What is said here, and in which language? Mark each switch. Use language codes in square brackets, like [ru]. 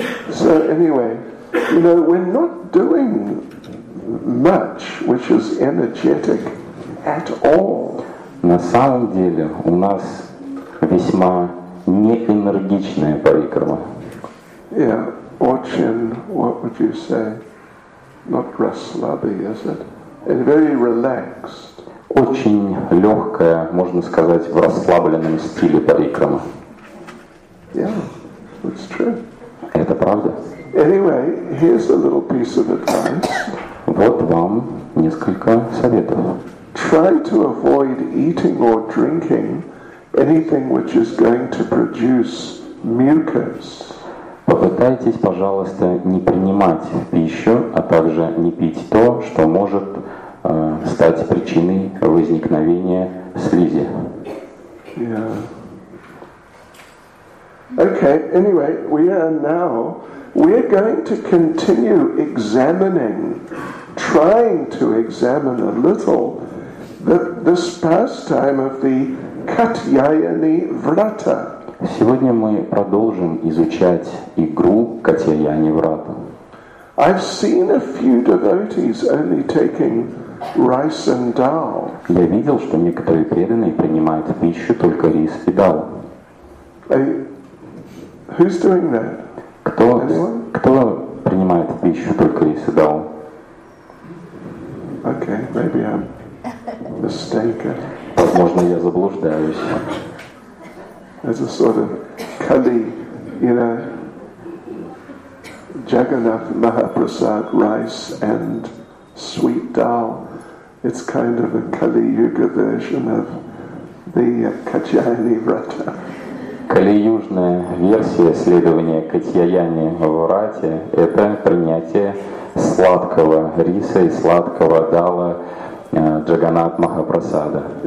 [en] So anyway, you know, we're not doing much which is energetic at all. [ru] На самом деле у нас весьма неэнергичная парикрама. [en] Yeah, [ru] очень, [en] what would you say? Not [ru] расслабы, [en] is it? It's very relaxed. [ru] Очень легкая, можно сказать, в расслабленном стиле парикрама. [en] Yeah, it's true. [ru] Это правда. [en] Anyway, here's a little piece of advice. [ru] Вот вам несколько советов. [en] Try to avoid eating or drinking anything which is going to produce mucus. [ru] Попытайтесь, пожалуйста, не принимать пищу, а также не пить то, что может стать причиной возникновения слизи. [en] Yeah. Okay, anyway, we are going to continue examining, trying to examine a little this pastime of the Katyayani Vrata. [ru] Сегодня мы продолжим изучать игру Катьяяни Врата. [en] I've seen a few devotees only taking rice and dal. [ru] Я видел, что некоторые преданные принимают пищу только рис и дал. [en] Who's doing that? [ru] Кто принимает пищу только если дал? [en] Okay, maybe I'm mistaken. [ru] Возможно, я заблуждаюсь. [en] As a sort of Kali, you know, Jagannath Mahaprasad rice and sweet dal. It's kind of a Kali Yuga version of the Katyayani Vrata. [ru] Калиюжная версия следования Катьяяни в Врате – это принятие сладкого риса и сладкого дала Джаганат Махапрасада.